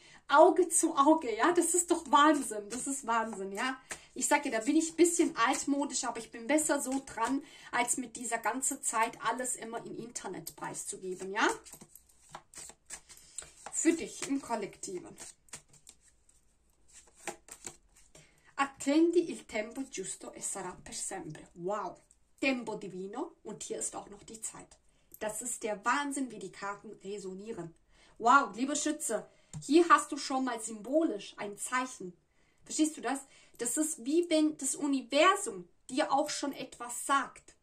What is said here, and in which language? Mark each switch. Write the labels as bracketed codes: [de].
[de] Auge zu Auge, ja, das ist doch Wahnsinn, das ist Wahnsinn, ja. Ich sage dir, da bin ich ein bisschen altmodisch, aber ich bin besser so dran, als mit dieser ganzen Zeit alles immer im Internet preiszugeben, ja. Für dich im Kollektiven. [it] Attendi il tempo giusto e sarà per sempre. Wow. Tempo divino. [de] Und hier ist auch noch die Zeit. Das ist der Wahnsinn, wie die Karten resonieren. Wow, liebe Schütze. Hier hast du schon mal symbolisch ein Zeichen. Verstehst du das? Das ist wie wenn das Universum dir auch schon etwas sagt.